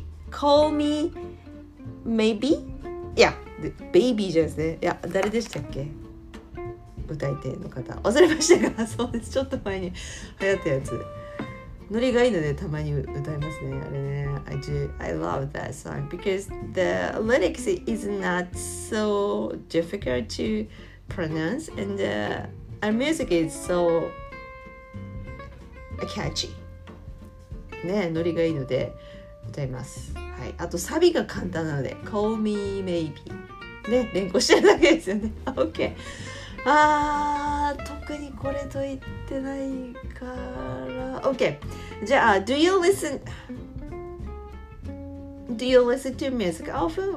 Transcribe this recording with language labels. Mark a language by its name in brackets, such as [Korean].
[English] Call me maybe? Yeah. [Japanese] The baby じゃないですね。いや、誰でしたっけ歌い手の方、忘れましたが、そうです、ちょっと前に流行ったやつ。ノリがいいのでたまに歌いますね、あれね。 [English] I love that song because the lyrics is not so difficult to pronounce and our music is so catchy [Japanese] ね。ノリがいいので歌います。はい、あとサビが簡単なので Call me maybe ね、連呼してるだけですよね。OK。あー、特にこれと言ってないから、 OK。 [English] じゃあ Do you listen to music often?